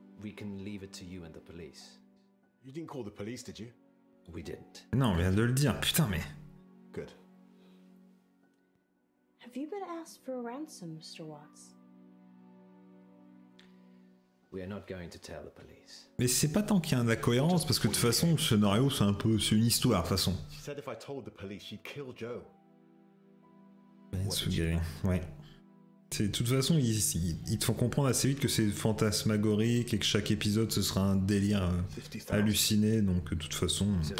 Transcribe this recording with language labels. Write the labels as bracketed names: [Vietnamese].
[English] We can leave it to you and the police. You didn't call the police, did you? We didn't. [French] Non, on vient de le dire. Putain, mais. [English] Good. Have you been asked for a ransom, Mr. Watts? We are not going to tell the police. [French] Mais c'est pas tant qu'il y a de la cohérence, parce que de toute façon, le scénario, c'est un peu, c'est une histoire, de toute façon. [English] She said if I told the police, she'd kill Joe. [French] Ben, sous-gré, ouais. C'est, de toute façon, ils te font comprendre assez vite que c'est fantasmagorique et que chaque épisode, ce sera un délire halluciné, donc de toute façon...